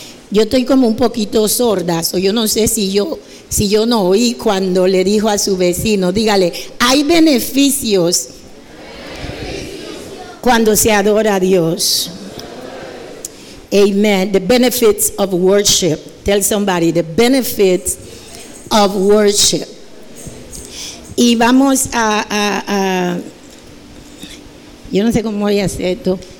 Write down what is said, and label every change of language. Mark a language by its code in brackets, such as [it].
[es] Yo estoy como un poquito sorda, yo no sé si yo no oí cuando le dijo a su vecino, dígale, hay beneficios cuando se adora a Dios. [en] Amen. The benefits of worship. Tell somebody the benefits of worship. [es] Y vamos a yo no sé cómo voy a hacer esto.